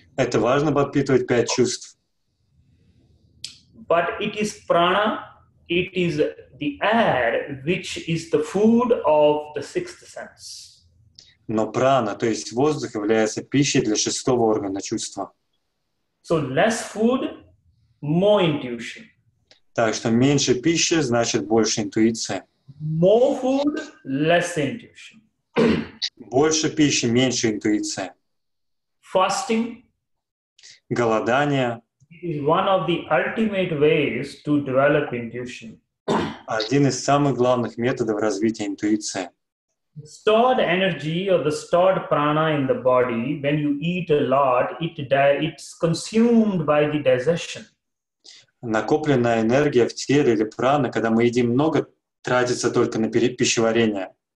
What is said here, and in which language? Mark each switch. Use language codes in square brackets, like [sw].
[ru] Это важно подпитывать пять чувств. [en] But it is prana, it is the air, which is the food of the sixth sense. [ru] Но прана, то есть воздух, является пищей для шестого органа чувства. [en] So less food, more intuition. [ru] Так что меньше пищи, значит больше интуиция. [en] More food, less intuition. [ru] Больше пищи, меньше интуиция. [en] Fasting. [ru] Голодание. [en] Is one of the ultimate ways to develop intuition. [ru] Один из самых главных методов развития интуиции. [en] Stored energy or the stored prana in the body, when you eat a lot, it's consumed by the digestion. [ru] Накопленная энергия в теле или прана, когда мы едим много, тратится только на пищеварение.